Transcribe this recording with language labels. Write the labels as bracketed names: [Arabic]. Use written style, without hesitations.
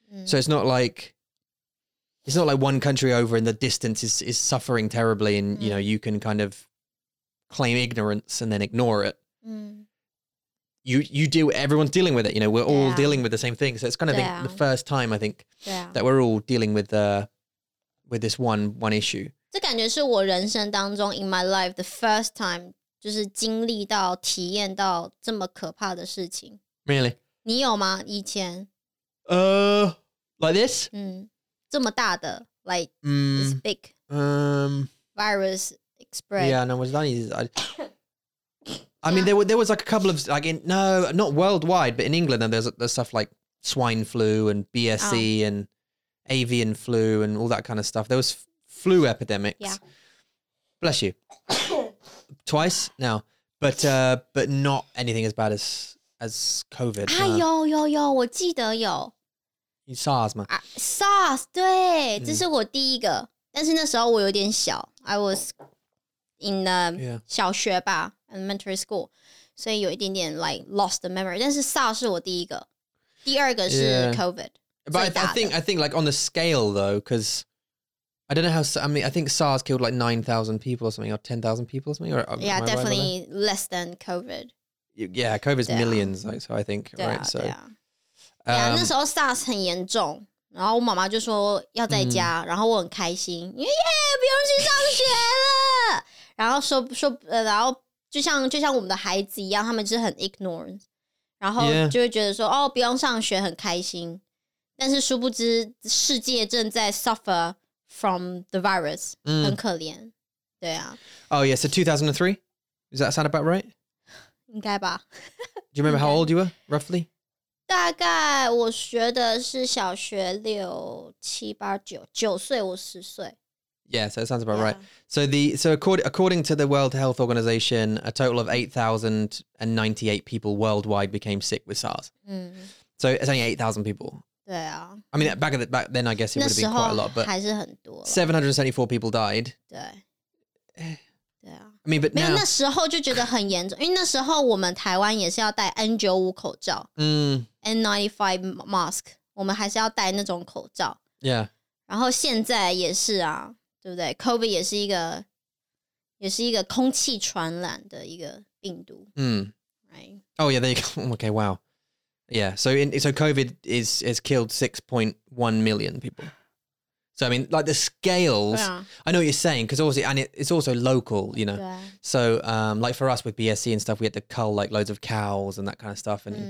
[English] So it's not like one country over in the distance is suffering terribly, and you know, you can kind of claim ignorance and then ignore it. Everyone's dealing with it. You know, we're all dealing with the same thing. So it's kind of the first time I think that we're all dealing with this one issue. [Chinese] 这感觉是我人生当中 [English] in my life the first time [Chinese] 就是经历到体验到这么可怕的事情。 [English] Really? [Chinese] 你有吗？以前？ [English] Like this? [Chinese] 嗯，这么大的 like [English] this big virus spread. Yeah, no, was that easy? I mean, there was like a couple of like in, no, not worldwide, but in England, and there's stuff like swine flu and BSE and avian flu and all that kind of stuff. There was. Flu epidemics. Yeah. Bless you. Twice now. But not anything as bad as COVID. [Chinese] 有，我记得有。 SARS 吗？ SARS, 对，这是我第一个。但是那时候我有点小。 [English] I was in the [Chinese] 小学吧 [English] ,elementary school. [Chinese] 所以有一点点 [English] like lost the memory. [Chinese] 但是 SARS 是我第一个。第二个是 COVID. [English] But I think like on the scale though, because... I don't know how, I mean, I think SARS killed like 9,000 people or something, or 10,000 people or something. Or, yeah, definitely less than COVID. Yeah, COVID's millions, like, so I think, right? So, [Chinese] yeah, 那时候 SARS 很严重，然后我妈妈就说要在家，然后我很开心，因为不用去上学了。然后说，然后就像我们的孩子一样，他们就是很 ignorant， 然后就会觉得说，哦，不用上学很开心。但是殊不知，世界正在 suffer。 [English] From the virus, [Chinese] 很可怜，对啊。 [English] Oh yeah, so 2003, is that sound about right? [Chinese] 应该吧。 [English] Do you remember how old you were roughly? [Chinese] 大概我学的是小学六七八九九岁，我十岁。 [English] Yeah, so it sounds about right. So according to the World Health Organization, a total of 8,098 people worldwide became sick with SARS. So it's only 8,000 people. [Chinese] 对啊。 [English] I mean, back then, I guess it would have been quite a lot, but 774 people died. [Chinese] 对啊。 [English] I mean, but [Chinese] 没有, [English] now... [Chinese] 那时候就觉得很严重，因为那时候我们台湾也是要戴 N95 口罩，N95 mask, 我们还是要戴那种口罩。 [English] Yeah. [Chinese] 然后现在也是啊，对不对？COVID 也是一个，也是一个空气传染的一个病毒。 [English] Right. Oh yeah, there you go. Okay, wow. Yeah, so COVID has killed 6.1 million people. So, I mean, like the scales, yeah. I know what you're saying, because obviously, and it's also local, you know. Yeah. So, like for us with BSC and stuff, we had to cull like loads of cows and that kind of stuff.